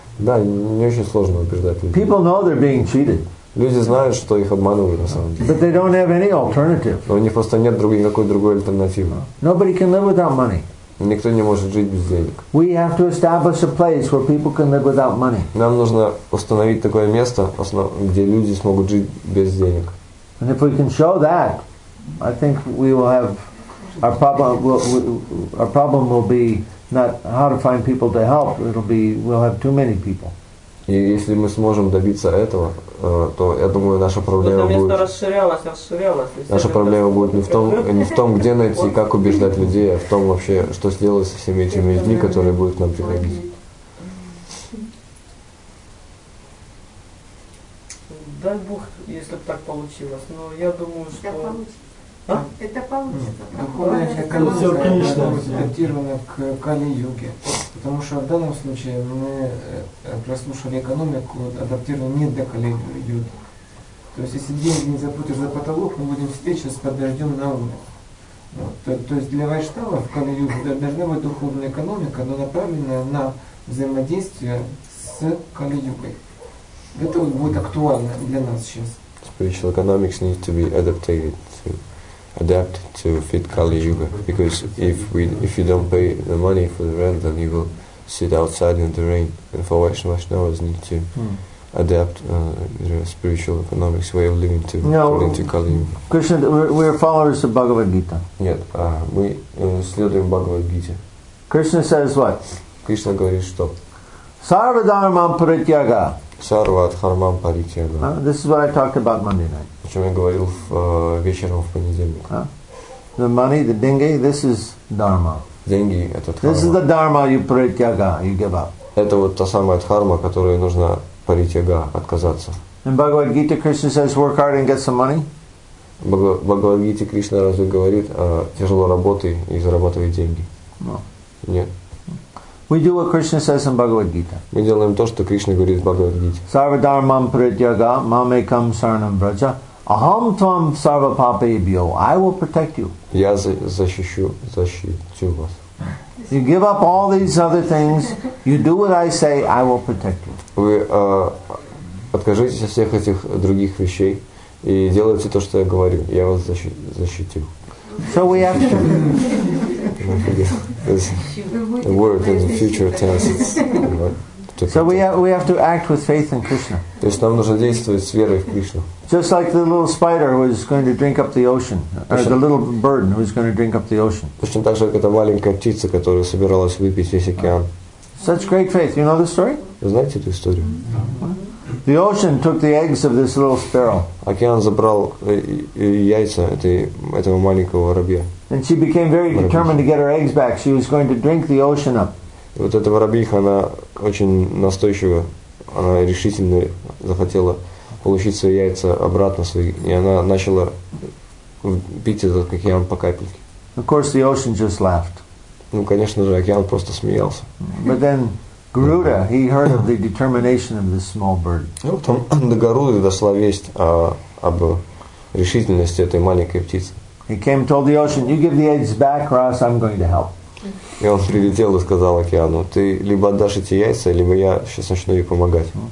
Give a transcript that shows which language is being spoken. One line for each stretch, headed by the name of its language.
Russian: Да, не очень сложно убеждать людей.
English: People know they're being cheated.
Russian: Люди знают, что их обманывают на самом деле.
English: But they don't have any alternative.
Russian: У них просто нет никакой другой альтернативы.
English: Nobody can live without money.
Russian: Никто не может жить без денег.
English: We have to establish a place where people can live without money.
Russian: Нам нужно установить такое место, где люди смогут жить без денег.
English: And if we can show that, I think we will have. Our problem will be not how to find people to help. It'll be we'll have too many people.
Russian: И если мы сможем добиться этого, то я думаю, наша проблема будет. Это место расширялось. Наша проблема будет не в том, где найти, как убеждать людей, а в том вообще, что сделать со всеми этими людьми, которые будут к нам приходить. Дай Бог, если бы так получилось, но я думаю, что. Это получится. Духовная экономика адаптирована к Кали-Юге. Потому что в данном случае мы прослушали экономику, адаптированную не для Кали-Юги. То есть если деньги не запутишь за потолок, мы будем сидеть сейчас под дождем на улице. Вот. То есть для вайшнава в Кали-Юге должна быть духовная экономика, но направленная на взаимодействие с Кали-Югой. Это вот будет актуально для нас сейчас.
English: Spiritual economics needs to be adapted to fit Kali Yuga, because if you don't pay the money for the rent, then you will sit outside in the rain. And for Vaishnavas need to adapt their spiritual economics way of living to according to Kali Yuga. Krishna, we're followers of Bhagavad Gita.
Russian: Нет, мы следуем Бхагавад Гите.
English: Krishna says what?
Russian: Krishna говорит что?
Sanskrit: Sarva dharmam parityaga. Sarva dharmam parityaga.
English: This is what I talked about Monday night.
Russian: О чем я говорил вечером в понедельник.
English: The money, the dengue, this is dharma.
Russian: Деньги – это дхарма.
English: This is the dharma you paritya-ga, you give up.
Russian: Это вот та самая дхарма, которую нужно паритья-га, отказаться.
English: In Bhagavad Gita, Krishna says, work hard and get some money.
Russian: Bhagavad Gita, Krishna разве говорит, тяжело работай и зарабатывай деньги?
English: No.
Russian: Нет.
English: We do what Krishna says in Bhagavad Gita.
Russian: Мы делаем то, что Кришна говорит в Бхагавад Гите.
Sanskrit: Sarva dharmam paritya-ga, mam ekam saranam vraja. Aham tvam sarva papebhyo.
English: I will protect you.
Russian: Я защищу вас.
English: You give up all these other things. You do what I say. I will protect you.
Russian: Вы откажитесь от всех этих других вещей и делайте то, что я говорю. Я вас защитил.
English: So we have to. The word in the future tense. So we have to act with faith in Krishna.
Russian: То есть нам нужно действовать с верой в Кришну.
English: Just like the little spider who is going to drink up the ocean, or the little bird who is going to drink up the ocean.
Russian: Точно так же, как эта маленькая птица, которая собиралась выпить весь океан.
English: Such great faith. You know the story?
Russian: Вы знаете эту историю?
English: The ocean took the eggs of this little sparrow.
Russian: Океан забрал яйца этого маленького воробья.
English: And she became very determined to get her eggs back. She was going to drink the ocean up.
Russian: Вот эта воробьиха, она очень настойчиво, она решительно захотела получить свои яйца обратно свои, и она начала пить этот океан по капельке.
English: Of course, the ocean just laughed.
Russian: Ну, конечно же, океан просто смеялся.
English: But then Garuda, he heard of the determination of this small bird.
Russian: И вот до Гаруды дошла весть об решительности этой маленькой птицы.
English: He came and told the ocean, "You give the eggs back, or else I'm going to help."
Russian: И он прилетел и сказал океану: ты либо отдашь эти яйца, либо я сейчас начну ей помогать.